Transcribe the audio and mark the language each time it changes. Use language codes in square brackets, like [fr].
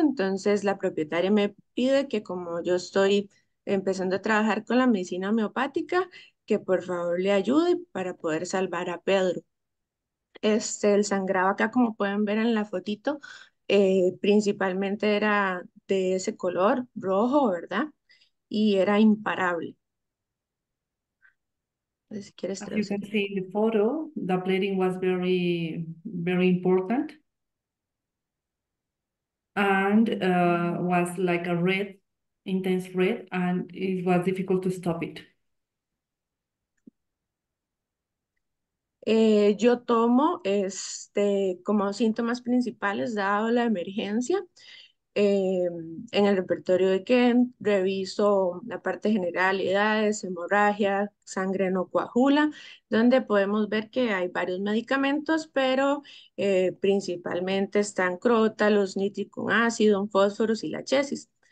[es] Entonces la propietaria me pide que como yo estoy empezando a trabajar con la medicina homeopática, que por favor le ayude para poder salvar a Pedro. El sangrado acá, como pueden ver en la fotito, principalmente era de ese color rojo, ¿verdad? Y era imparable. Si quieres [en] As you can [es] traducir el [en] see in the photo, the bleeding was very, very important. And was like a red, intense red, and it was difficult to stop it. [es] Yo tomo como síntomas principales, dado la emergencia, en el repertorio de Kent, reviso la parte generalidades, hemorragia, sangre no coagula, donde podemos ver que hay varios medicamentos, pero principalmente están crótalos, nítrico ácido, fósforos y la chesis.